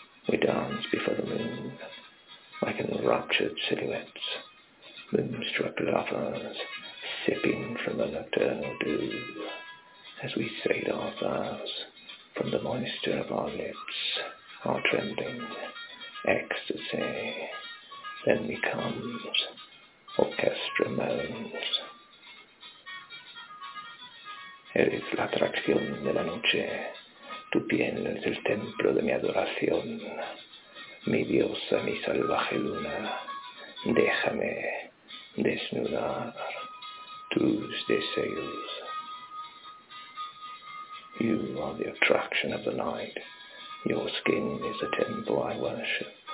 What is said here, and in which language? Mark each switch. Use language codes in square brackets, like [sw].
[en] We dance before the moon, like enraptured silhouettes, moonstruck lovers, sipping from the nocturnal dew, as we sail our vows from the moisture of our lips, our trembling ecstasy. Then becomes orchestra moans. [es] Eres la atracción de la noche. Tu piel es el templo de mi adoración, mi diosa, mi salvaje luna, déjame desnudar tus deseos. [en] You are the attraction of the night, your skin is the temple I worship.